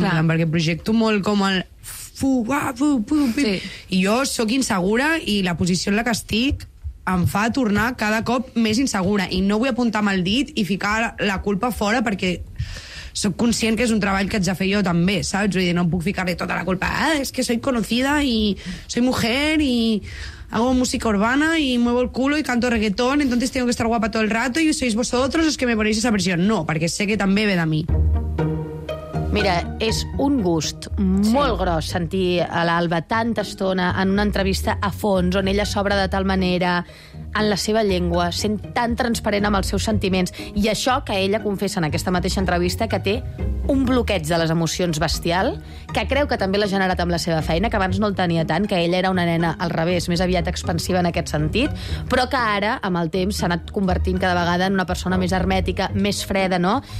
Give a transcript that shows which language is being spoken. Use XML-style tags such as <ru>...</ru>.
<ca>Plan, perquè projecto molt com el... I jo sóc insegura i la posició en la que estic em fa tornar cada cop més insegura. I no vull apuntar amb el dit i ficar la culpa fora perquè... Soc conscient que és un treball que haig de fer jo també, saps? Vull dir, no puc ficar-li tota la culpa. Ah, és que</ca> <es>soy conocida i soy mujer i hago música urbana i muevo el culo i canto reggaetón, entonces tengo que estar guapa todo el rato y sois vosotros los que me ponéis esa versión.</es> <ca>No, perquè sé que també ve de mi. Mira, és un gust molt gros sentir a l'Alba tanta estona en una entrevista a fons on ella s'obre de tal manera... en la seva llengua, sent tan transparent amb els seus sentiments. I això que ella confessa en aquesta mateixa entrevista, que té un bloqueig de les emocions bestial, que creu que també l'ha generat amb la seva feina, que abans no el tenia tant, que ella era una nena al revés, més aviat expansiva en aquest sentit, però que ara, amb el temps, s'ha anat convertint cada vegada en una persona més hermètica, més freda, no?</ca>